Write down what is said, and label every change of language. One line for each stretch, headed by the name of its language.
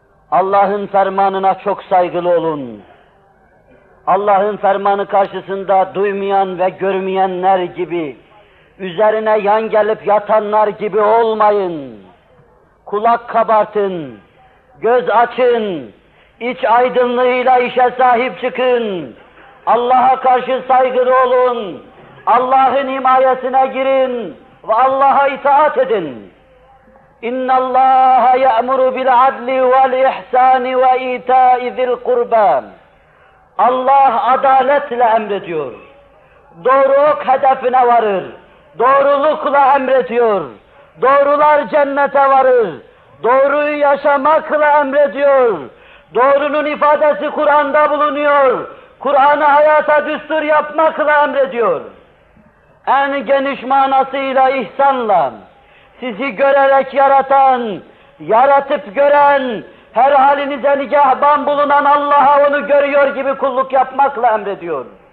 Turkish: Allah'ın fermanına çok saygılı olun. Allah'ın fermanı karşısında duymayan ve görmeyenler gibi, üzerine yan gelip yatanlar gibi olmayın. Kulak kabartın, göz açın, iç aydınlığıyla işe sahip çıkın. Allah'a karşı saygılı olun. Allah'ın himayesine girin ve Allah'a itaat edin.
Arabic: اِنَّ اللّٰهَ يَأْمُرُ بِالْعَدْلِ وَالْإِحْسَانِ وَاِيْتَاءِ ذِي الْقُرْبَانِ
Turkish: Allah adaletle emrediyor. Doğru ok hedefine varır. Doğrulukla emrediyor. Doğrular cennete varır. Doğruyu yaşamakla emrediyor. Doğrunun ifadesi Kur'an'da bulunuyor. Kur'an'ı hayata düstur yapmakla emrediyor. En geniş manasıyla ihsanla, sizi görerek yaratan, yaratıp gören, her halinize nigahban bulunan Allah'a onu görüyor gibi kulluk yapmakla emrediyor.